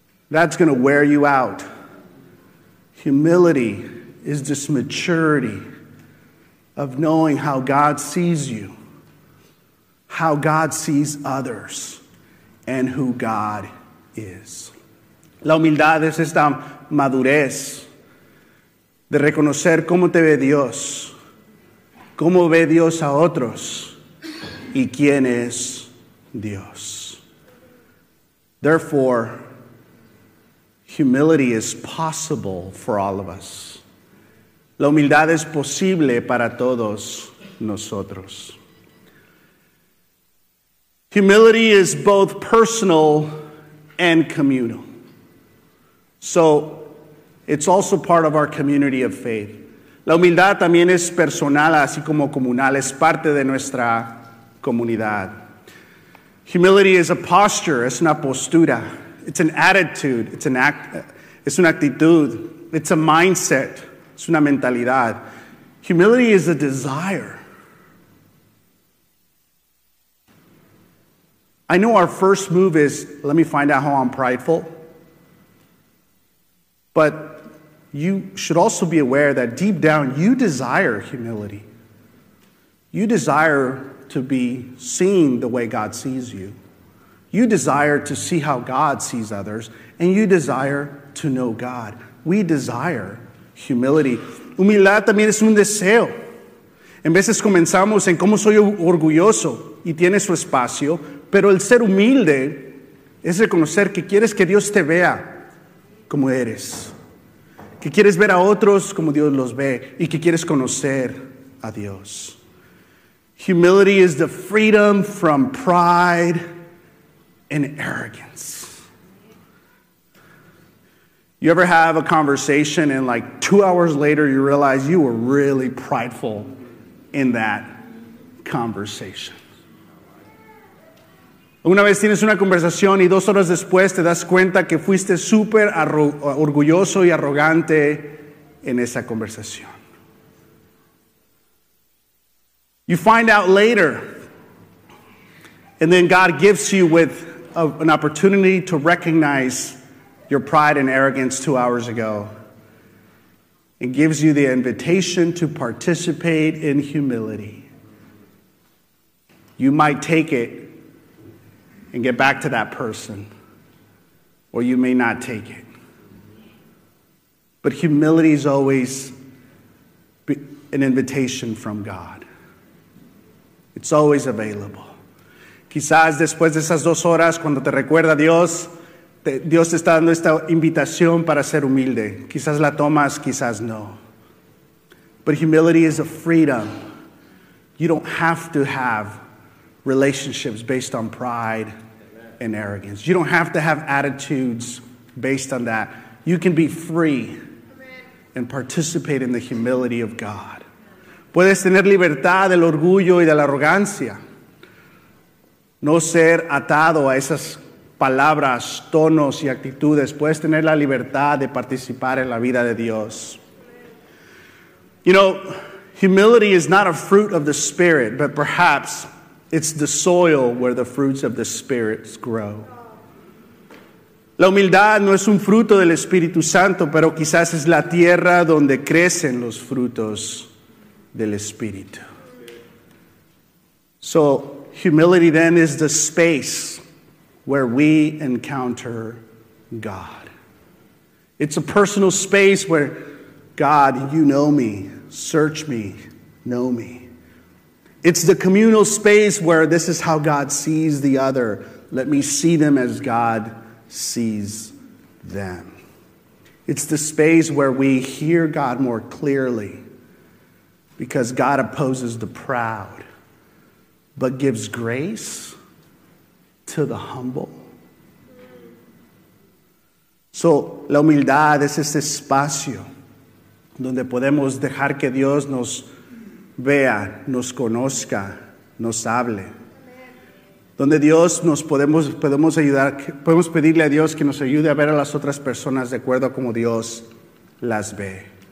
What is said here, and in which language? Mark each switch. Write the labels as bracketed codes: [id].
[en] That's going to wear you out. Humility is this maturity of knowing how God sees you, how God sees others and who God is. [es] La humildad es esta madurez de reconocer cómo te ve Dios, cómo ve Dios a otros y quién es Dios. [en] Therefore, humility is possible for all of us. [es] La humildad es posible para todos nosotros. [en] Humility is both personal and communal. So, it's also part of our community of faith. [es] La humildad también es personal, así como comunal, es parte de nuestra comunidad. [en] Humility is a posture, [es] es una postura. [en] It's an attitude, it's an act, [es] es una actitud. [en] It's a mindset, [es] es una mentalidad. [en] Humility is a desire. I know our first move is, let me find out how I'm prideful. But you should also be aware that deep down, you desire humility. You desire to be seen the way God sees you. You desire to see how God sees others, and you desire to know God. We desire humility. [es] Humildad también es un deseo. En veces comenzamos en cómo soy orgulloso, y tiene su espacio, pero el ser humilde es reconocer que quieres que Dios te vea como eres, que quieres ver a otros como Dios los ve, y que quieres conocer a Dios. [en] Humility is the freedom from pride and arrogance. You ever have a conversation and like 2 hours later you realize you were really prideful in that conversation? [es] Una vez tienes una conversación y 2 horas después te das cuenta que fuiste súper orgulloso y arrogante en esa conversación. [en] You find out later, and then God gives you with an opportunity to recognize your pride and arrogance 2 hours ago and gives you the invitation to participate in humility. You might take it and get back to that person, or you may not take it. But humility is always an invitation from God. It's always available. [es] Quizás después de esas 2 horas, cuando te recuerda Dios, Dios te está dando esta invitación para ser humilde. Quizás la tomas, quizás no. [en] But humility is a freedom. You don't have to have relationships based on pride and arrogance. You don't have to have attitudes based on that. You can be free and participate in the humility of God. [es] Puedes tener libertad del orgullo y de la arrogancia. No ser atado a esas palabras, tonos y actitudes. Puedes tener la libertad de participar en la vida de Dios. [en] You know, humility is not a fruit of the Spirit, but perhaps it's the soil where the fruits of the Spirit grow. [es] La humildad no es un fruto del Espíritu Santo, pero quizás es la tierra donde crecen los frutos del Espíritu. [en] So, humility then is the space where we encounter God. It's a personal space where God, you know me, search me, know me. It's the communal space where this is how God sees the other. Let me see them as God sees them. It's the space where we hear God more clearly because God opposes the proud but gives grace to the humble. [es] So, la humildad es este espacio donde podemos dejar que Dios nos vea, nos conozca, nos hable. Donde Dios nos podemos ayudar, podemos pedirle a Dios que nos ayude a ver a las otras personas de acuerdo a como Dios las ve.